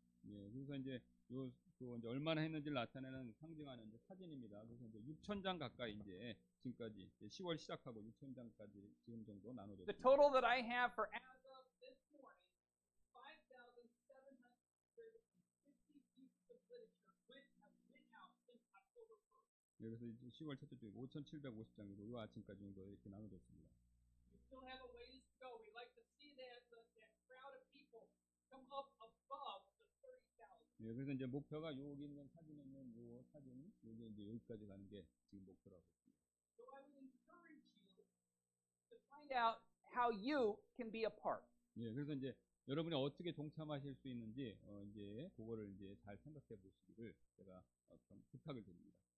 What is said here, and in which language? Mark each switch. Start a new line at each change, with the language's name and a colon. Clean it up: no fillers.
Korean: 예, 그래서 이제 이제 얼마나 했는지를 나타내는 상징하는 이제 사진입니다. 그래서 이제 6,000장 가까이 이제 지금까지 이제 10월 시작하고 6,000장까지 지금 정도 나눠졌습니다.
English: The total that I have for as of this morning, 5,750 pieces of literature which have went out since October 1st.
Korean: 예, 그래서 10월 첫째 주에 5,750장 이거 아침까지 정도 이렇게 나눠졌습니다.
English: We still have a ways to go. We'd like to see that crowd of people come up above.
Korean: 예, 그래서 이제 목표가 여기 있는 사진 있는 이 사진 여기 이제 여기까지 가는 게 지금 목표라고 있습니다.
English: So I would encourage you to find out how you can be a part.
Korean: 예, 그래서 이제 여러분이 어떻게 동참하실 수 있는지 이제 그거를 이제 잘 생각해 보시기를 제가 좀 부탁을 드립니다.